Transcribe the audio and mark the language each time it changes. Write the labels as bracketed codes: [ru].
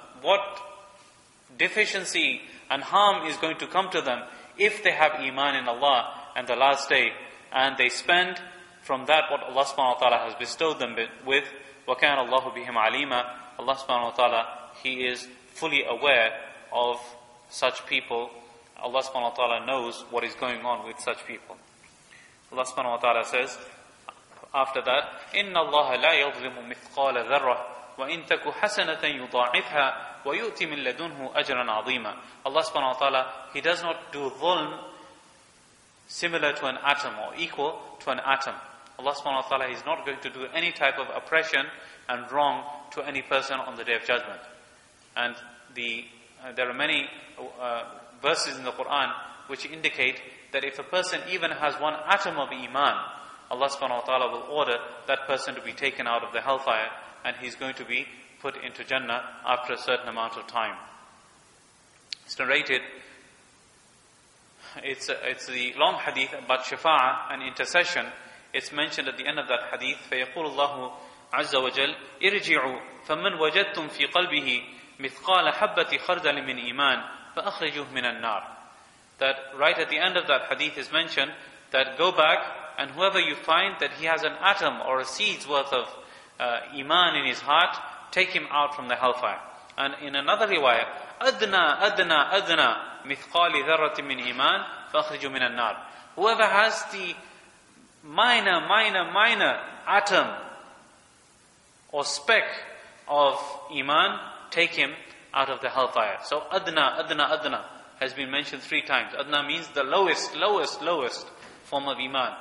[en] What deficiency and harm is going to come to them if they have iman in Allah and the last day, and they spend from that what Allah subhanahu wa ta'ala has bestowed them with? [ar] وَكَانَ اللَّهُ بِهِمْ عَلِيمًا. [en] Allah subhanahu wa ta'ala, He is fully aware of such people. Allah subhanahu wa ta'ala knows what is going on with such people. Allah subhanahu wa ta'ala says after that, [ar] إِنَّ اللَّهَ لَا يَظْلِمُ مِثْقَالَ ذَرَّةٍ وَإِنْ تَكُ حَسَنَةً يُضَاعِفْهَا وَيُؤْتِ مِنْ لَدُنْهُ أَجْرًا عَظِيمًا. [en] Allah subhanahu wa ta'ala, He does not do dhulm similar to an atom or equal to an atom. Allah subhanahu wa ta'ala is not going to do any type of oppression and wrong to any person on the Day of Judgment. And there are many verses in the Quran which indicate that if a person even has one atom of iman, Allah subhanahu wa ta'ala will order that person to be taken out of the hellfire, and he's going to be put into Jannah after a certain amount of time. It's narrated, it's the long hadith about shafa'ah and intercession. It's mentioned at the end of that hadith, [ar] فَيَقُولُ اللَّهُ عَزَّ وَجَلَّ اِرْجِعُوا فَمَنْ وَجَدْتُمْ فِي قَلْبِهِ مِثْقَالَ حَبَّةِ خَرْدَلٍ مِنْ إِيمَانٍ فَأَخْرِجُوهُ مِنَ النَّارِ. [en] That right at the end of that hadith is mentioned that go back, and whoever you find that he has an atom or a seed's worth of iman in his heart, take him out from the hellfire. And in another riwayah, [ar] أَدْنَا أَدْنَا أَدْنَا مِثْقَالِ ذَرَّةٍ مِنْ إِيمَانٍ فَأَخْرِجُوهُ مِنَ النَّارِ. [en] Whoever has the minor atom or speck of iman, take him out of the hellfire. So adna, adna, adna has been mentioned 3 times. Adna means the lowest form of iman.